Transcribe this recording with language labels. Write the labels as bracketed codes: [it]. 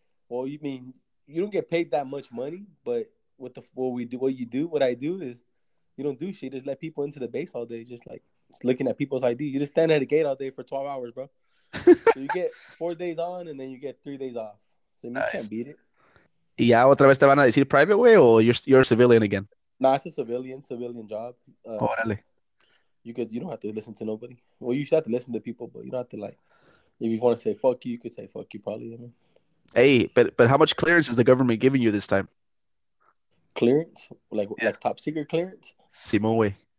[en] Well, you mean you don't get paid that much money, but what I do is you don't do shit, just let people into the base all day, just looking at people's ID. You just stand at a gate all day for 12 hours, bro. So you get 4 days on and then you get 3 days off. So I mean, you can't beat it. [es] ¿Y ya otra vez te van a decir private way o [en] you're a civilian again? No, it's a civilian job. [es] Órale. [en] You don't have to listen to nobody. Well, you should have to listen to people, but you don't have to, like, if you want to say fuck you could say fuck you probably. I mean, Hey, but how much clearance is the government giving you this time? clearance, like top secret clearance. [es] Simón, güey.